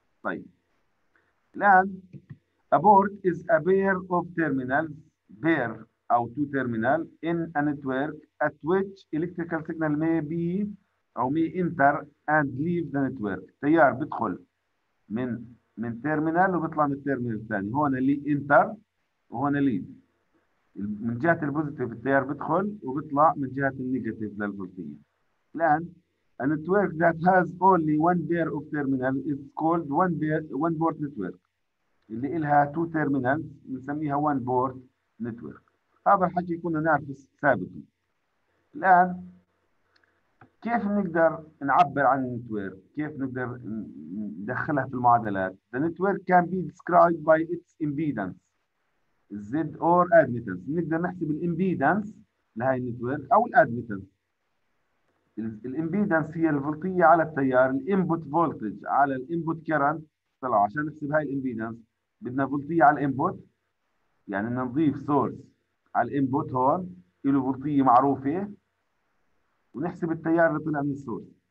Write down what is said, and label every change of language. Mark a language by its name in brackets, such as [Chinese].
[English] طيب الان a port is a pair of terminal, pair or two terminal in a network at which electrical signal may be or may enter and leave the network. [Arabic] تيار بيدخل من تيرمينال وبيطلع من التيرمينال الثاني، هون اللي انتر وهون ليف. من جهه البوزيتيف التيار بيدخل وبيطلع من جهه النيجاتيف للفولتيه. [English] الان A network that has only one pair of terminal is called one port network. [Arabic] اللي إلها [English] two terminals [Arabic] نسميها [English] one port network. [Arabic] هذا الحكي كنا نعرفه سابقا. الآن كيف نقدر نعبر عن network؟ كيف نقدر ندخلها في المعادلات؟ [English] The network can be described by its impedance, Z or admittance. [Arabic] نقدر نحسب الـ impedance لهي network أو الـ admittance. الامبيدنس هي الفولتية على التيار، الانبوت فولتج على الانبوت كرنت. طلع عشان نحسب هاي الامبيدنس بدنا فولتية على الانبوت، يعني نضيف سورس على الانبوت هون له فولتية معروفة، ونحسب التيار اللي طلع من السورس.